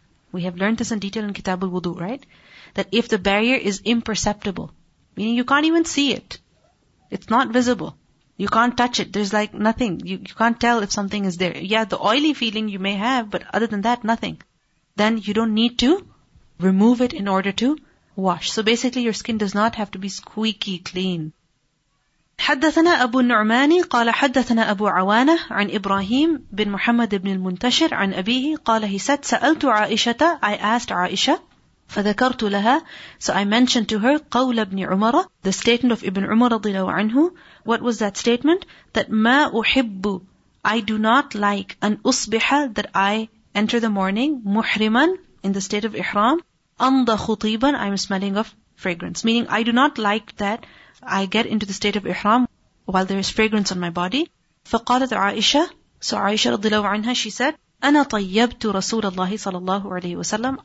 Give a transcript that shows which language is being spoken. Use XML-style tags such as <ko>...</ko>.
<en>We have learned this in detail in Kitab al-Wudu, right? That if the barrier is imperceptible, meaning you can't even see it, it's not visible, you can't touch it, there's like nothing, you can't tell if something is there. Yeah, the oily feeling you may have, but other than that, nothing. Then you don't need to remove it in order to wash. So basically your skin does not have to be squeaky clean.</en> <ar>حدثنا أبو النعمان قال حدثنا أبو عوانة عن إبراهيم بن محمد بن المنتشر عن أبيه قال</ar> <en>he said</en> <ar>سألت عائشة,</ar> <en>I asked عائشة,</en> <ar>فذكرت لها,</ar> <en>so I mentioned to her</en> <ar>قول ابن عمر,</ar> <en>the statement of Ibn Umar</en> <ar>رضي الله عنه.</ar> <en>What was that statement? That</en> <ar>ما أحب,</ar> <en>I do not like</en> <ar>أن أصبح,</ar> <en>that I enter the morning</en> <ar>محرما,</ar> <en>in the state of إحرام,</en> <ar>أنض خطيبا,</ar> <en>I am smelling of fragrance. Meaning I do not like that I get into the state of إحرام while there is fragrance on my body.</en> <ar>فقالت عائشة,</ar> <en>so</en> <ar>عائشة رضي الله عنها,</ar> <en>she said</en> <ar>أنا طيبت رسول الله صلى الله عليه وسلم,</ar>